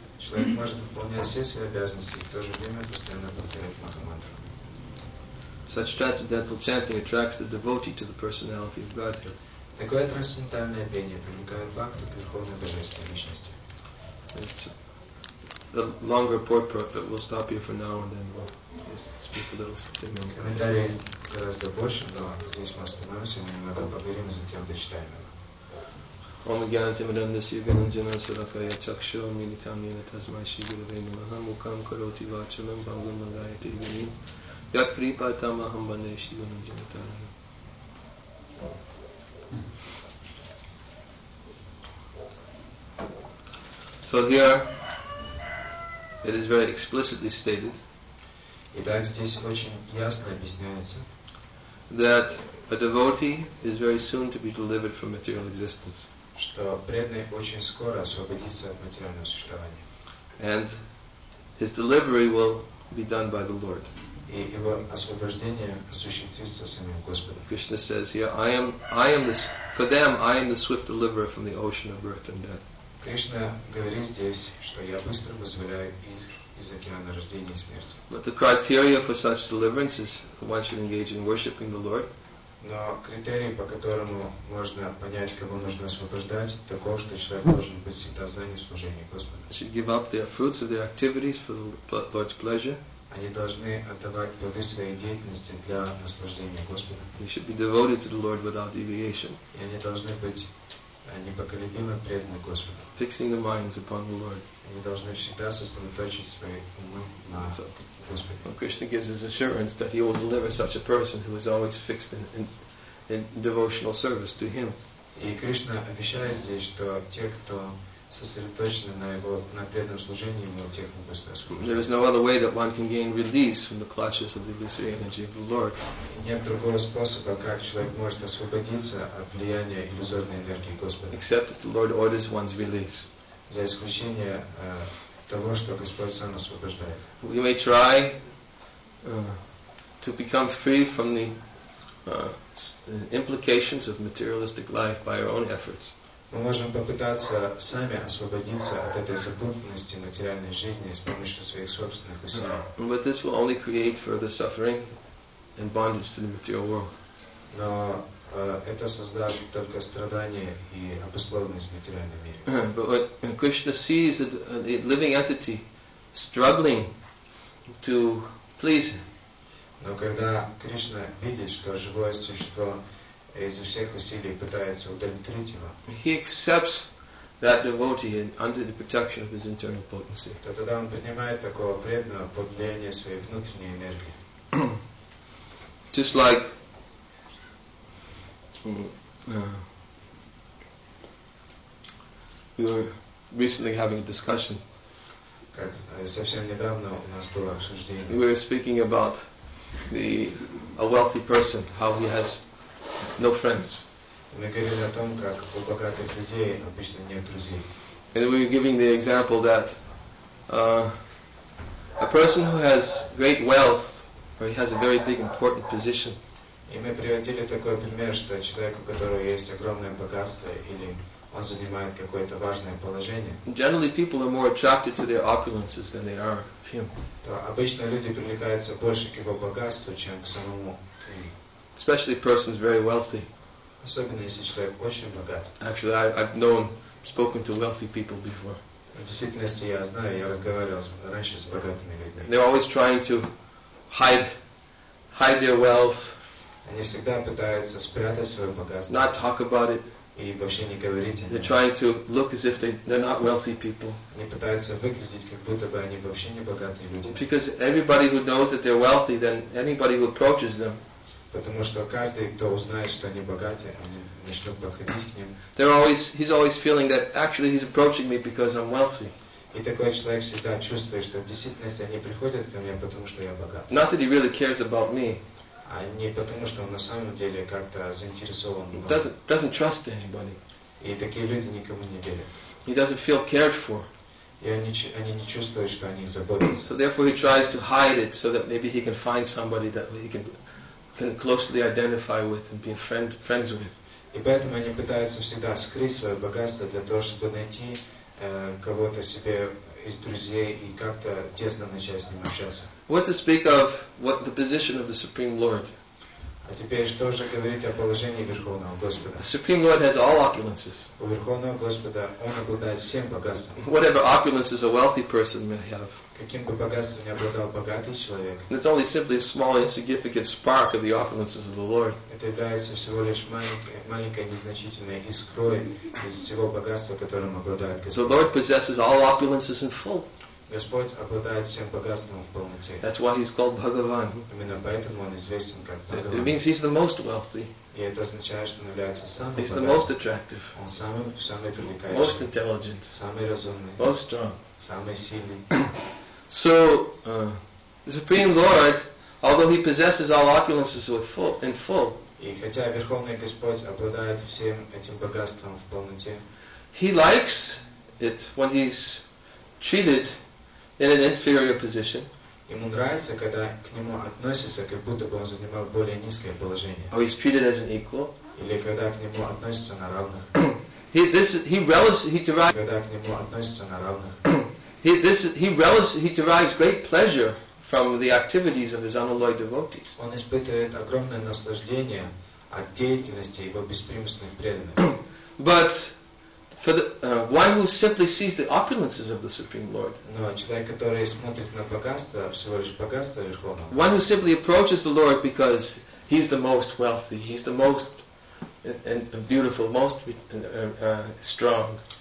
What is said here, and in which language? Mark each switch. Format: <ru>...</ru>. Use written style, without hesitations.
<ru>Человек может выполнять все свои обязанности и в то же время постоянно повторять Махамантру.</ru> <en>Such transcendental chanting attracts the devotee to the personality of Godhead.</en> <ru>Такое трансцендентальное пение привлекает бхакту к Верховной Божественной Личности.</ru> <en>The longer purport, but we'll stop here for now and then we'll just speak a little something.</en> <ru>Комментарий гораздо больше, но здесь мы остановимся, немного поговорим, затем дочитаем его.</ru> <sa>Om Gyanati Madandasya Gananjana Sarakaya Chakshu Militam Yena Tasmai Shri Gurave Namaha Mukham Karoti Vachalam Bhangam Magayati Vinim Yat Pripatam Aham Bande Shri Gananjana Tarayam.</sa> <en>So here, it is very explicitly stated.</en> <ru>Итак, здесь очень ясно объясняется,</ru> <en>that a devotee is very soon to be delivered from material existence.</en> <ru>Что преданный очень скоро освободится от материального существования.</ru> <en>And his delivery will be done by the Lord.</en> <ru>И его освобождение осуществится самим Господом.</ru> <en>Krishna says here, I am the swift deliverer from the ocean of birth and death.</en> <ru>Кришна говорит здесь, что я быстро вызволяю их из океана рождения и смерти.</ru> <en>But the criteria for such deliverance is one should engage in worshiping the Lord.</en> <ru>Но критерий, по которому можно понять, кого нужно освобождать, таков, что человек должен быть всегда занят служением Господу.</ru> <en>Should give up their fruits of their activities for the Lord's pleasure.</en> <ru>Они должны отдавать плоды своей деятельности для наслаждения Господа.</ru> <en>They should be devoted to the Lord without deviation.</en> <ru>И они должны быть непоколебимо преданы Господу.</ru> <en>Fixing their minds upon the Lord.</en> <ru>Они должны всегда сосредоточить свои умы на Господе.</ru> <en>Well, Krishna gives his assurance that he will deliver such a person who is always fixed in devotional service to him.</en> <ru>И Кришна обещает здесь, что те, кто сосредоточены на его на преданном служении, ему тех мы быстро служим.</ru> <en>There is no other way that one can gain release from the clutches of the illusory energy of the Lord.</en> <ru>Нет другого способа, как человек может освободиться от влияния иллюзорной энергии Господа.</ru> <en>Except if the Lord orders one's release.</en> <ru>За исключение того, что Господь сам освобождает.</ru> <en>We may try to become free from the implications of materialistic life by our own efforts.</en> <ru>Мы можем попытаться сами освободиться от этой запутанности материальной жизни с помощью своих собственных усилий.</ru> <en>But this will only create further suffering and bondage to the material world.</en> <ru>Но это создаст только страдания и обусловленность в материальном мире.</ru> <en>But what Krishna sees that the living entity struggling to please him.</en> <ru>Но когда Кришна видит, что живое существо изо всех усилий пытается удовлетворить его,</ru> <en>he accepts that devotee under the protection of his internal potency.</en> <ru>То тогда он принимает такого преданного под влияние своей внутренней энергии.</ru> <en>Just like we were recently having a discussion.</en> <ru>Совсем недавно у нас было обсуждение.</ru> <en>We were speaking about a wealthy person, how he has no friends.</en> <ru>Мы говорили о том, как у богатых людей обычно нет друзей.</ru> <en>And we were giving the example that a person who has great wealth or he has a very big important position.</en> <ru>И мы приводили такой пример, что человек, у которого есть огромное богатство или он занимает какое-то важное положение.</ru> <en>Generally, people are more attracted to their opulences than they are to him.</en> <ru>То обычно люди привлекаются больше к его богатству, чем к самому.</ru> <en>Especially persons very wealthy.</en> <ru>Особенно если человек очень богат.</ru> <en>Actually, I've spoken to wealthy people before.</en> <ru>В действительности я знаю, я разговаривал раньше с богатыми людьми.</ru> <en>They're always trying to hide their wealth.</en> <ru>Они всегда пытаются спрятать свое богатство.</ru> <en>Not talk about it.</en> <ru>И вообще не говорить.</ru> <en>They're trying to look as if they're not wealthy people.</en> <ru>Они пытаются выглядеть, как будто бы они вообще не богатые люди.</ru> <en>Because everybody who knows that they're wealthy, then anybody who approaches them.</en> <ru>Потому что каждый, кто узнает, что они богатые, они начнут подходить к ним.</ru> <en>He's always feeling that actually he's approaching me because I'm wealthy.</en> <ru>И такой человек всегда чувствует, что в действительности они приходят ко мне, потому что я богат.</ru> <en>Not that he really cares about me.</en> <ru>А не потому, что он на самом деле как-то заинтересован.</ru> <en>Doesn't trust anybody.</en> <ru>И такие люди никому не верят.</ru> <en>He doesn't feel cared for.</en> <ru>И они не чувствуют, что о них заботятся.</ru> <en>So therefore he tries to hide it so that maybe he can find somebody that he can closely identify with and be friends with.</en> <ru>И поэтому они пытаются всегда скрыть свое богатство для того, чтобы найти кого-то себе из друзей и как-то тесно начать с ним общаться.</ru> <en>What to speak of what the position of the Supreme Lord?</en> <ru>А теперь что же говорить о положении Верховного Господа?</ru> <en>The Supreme Lord has all opulences.</en> <ru>У Верховного Господа он обладает всем богатством.</ru> <en>Whatever opulences a wealthy person may have.</en> <ru>Каким бы богатством ни обладал богатый человек.</ru> <en>It's only simply a small, insignificant spark of the opulences of the Lord.</en> <ru>Это является всего лишь маленькой незначительной искрой из всего богатства, которым обладает Господь.</ru> <en>The Lord possesses all opulences in full.</en> <ru>Господь обладает всем богатством в полноте.</ru> <en>That's why he's called Bhagavan.</en> <ru>Именно поэтому он известен как Бхагаван.</ru> <en>It means he's the most wealthy.</en> <ru>И это означает, что он является самым богатым.</ru> <en>He's the most attractive.</en> <ru>Он самый привлекающий.</ru> <en>Most intelligent.</en> <ru>Самый разумный.</ru> <en>Most strong.</en> <ru>Самый сильный.</ru> <en>So, the Supreme Lord, although he possesses all opulences in full,</en> <ru>и хотя Верховный Господь обладает всем этим богатством в полноте,</ru> <en>he likes it when he's treated in an inferior position.</en> <ru>Ему нравится, когда к нему относятся, как будто бы он занимал более низкое положение.</ru> <en>Or he's treated as an equal.</en> <ru>Или когда к нему относятся на равных.</ru> <en>He derives.</en> <ru>Когда к нему относятся на равных.</ru> <en>He derives great pleasure from the activities of his unalloyed devotees.</en> <ru>Он испытывает огромное наслаждение от деятельности его беспримесных преданных.</ru> <en>But for the one who simply sees the opulences of the Supreme Lord.</en> <ru>Но человек, который смотрит на богатство, всего лишь богатство Верховного.</ru> <en>One who simply approaches the Lord because he's the most wealthy, he's the most and beautiful, most strong.</en>